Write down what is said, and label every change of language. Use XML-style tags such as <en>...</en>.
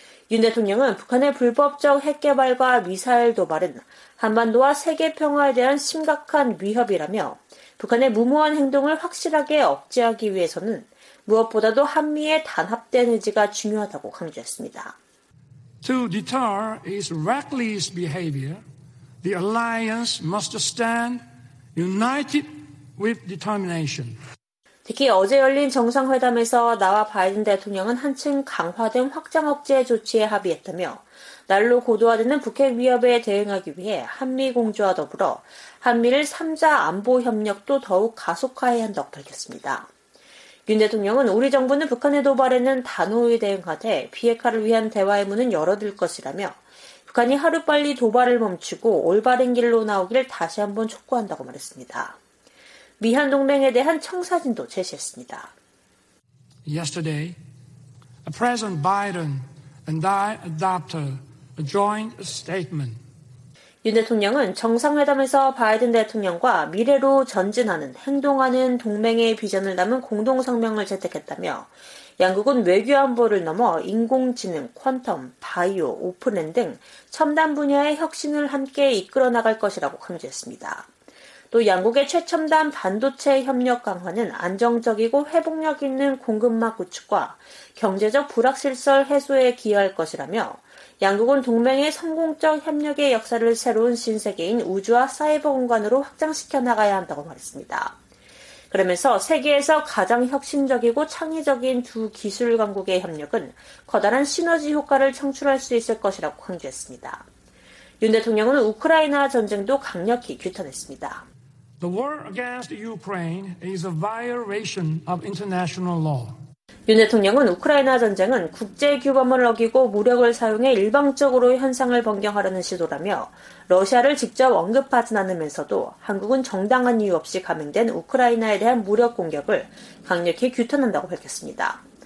<ko>윤 대통령은 북한의 불법적 핵개발과 미사일 도발은 한반도와 세계 평화에 대한 심각한 위협이라며 북한의 무모한 행동을 확실하게 억제하기 위해서는 무엇보다도 한미의 단합된 의지가 중요하다고 강조했습니다.</ko> <en>To deter his reckless behavior, the alliance must stand united with determination.</en> <ko>특히 어제 열린 정상회담에서 나와 바이든 대통령은 한층 강화된 확장 억제 조치에 합의했다며 날로 고도화되는 북핵 위협에 대응하기 위해 한미 공조와 더불어 한미일 3자 안보 협력도 더욱 가속화해야 한다고 밝혔습니다. 윤 대통령은 우리 정부는 북한의 도발에는 단호히 대응하되 비핵화를 위한 대화의 문은 열어둘 것이라며 북한이 하루빨리 도발을 멈추고 올바른 길로 나오길 다시 한번 촉구한다고 말했습니다. 미한 동맹에 대한 청사진도 제시했습니다.</ko> <en>Yesterday, President Biden and I adopted a joint statement.</en> <ko>윤 대통령은 정상회담에서 바이든 대통령과 미래로 전진하는 행동하는 동맹의 비전을 담은 공동성명을 채택했다며 양국은 외교 안보를 넘어 인공지능, 퀀텀, 바이오, 오픈엔 등 첨단 분야의 혁신을 함께 이끌어 나갈 것이라고 강조했습니다. 또 양국의 최첨단 반도체 협력 강화는 안정적이고 회복력 있는 공급망 구축과 경제적 불확실성 해소에 기여할 것이라며 양국은 동맹의 성공적 협력의 역사를 새로운 신세계인 우주와 사이버 공간으로 확장시켜 나가야 한다고 말했습니다. 그러면서 세계에서 가장 혁신적이고 창의적인 두 기술 강국의 협력은 커다란 시너지 효과를 창출할 수 있을 것이라고 강조했습니다. 윤 대통령은 우크라이나 전쟁도 강력히 규탄했습니다.</ko> <en>The war against Ukraine is a violation of international law.</en> <ko>윤 대통령은 우크라이나 전쟁은 국제 규범을 어기고 무력을 사용해 일방적으로 현상을 변경하려는 시도라며 러시아를 직접 언급하진 않으면서도 한국은 정당한 이유 없이 감행된 우크라이나에 대한 무력 공격을 강력히 규탄한다고 밝혔습니다.</ko>